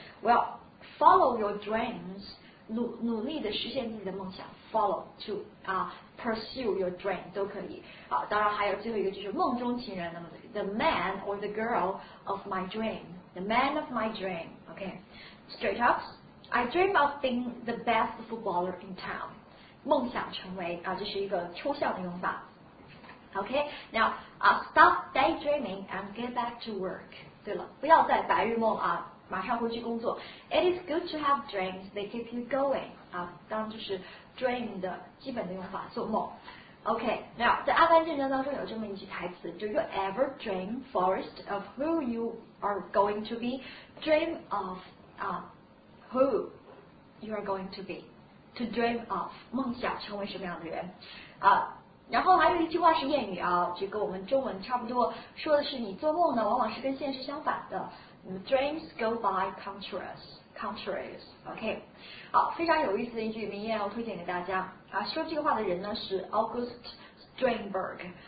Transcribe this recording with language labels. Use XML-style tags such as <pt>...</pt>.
<en>Well, follow your dreams,</en> <zh>努力的实现自己的梦想</zh> <en>,follow to, pursue your dream, 都可以。</en> <zh>当然还有最后一个就是梦中情人 ,</zh> <en>the man or the girl of my dream, the man of my dream, okay. Straight up, I dream of being the best footballer in town.</en> <zh>梦想成为这是一个抽象的用法。</zh> <en>Okay, now, stop daydreaming and get back to work.</en> <zh>对了不要再白日梦马上回去工作。</zh> <en>It is good to have dreams. They keep you going.</en> <zh>当然就是 dream 的基本的用法，做梦。</zh> <en>Okay, now</en> <zh>在《阿凡正传》当中有这么一句台词</zh> <en>：Do you ever dream, Forrest, of who you are going to be? Dream of who you are going to be.</en> <zh>To dream of 梦想成为什么样的人？然后还有一句话是谚语就跟我们中文差不多，说的是你做梦呢，往往是跟现实相反的。</zh> <en>Dreams go by contrast, okay.</en> <zh>好，非常有意思的一句名言，我推荐给大家。说这个话的人呢是 August Strindberg。</zh>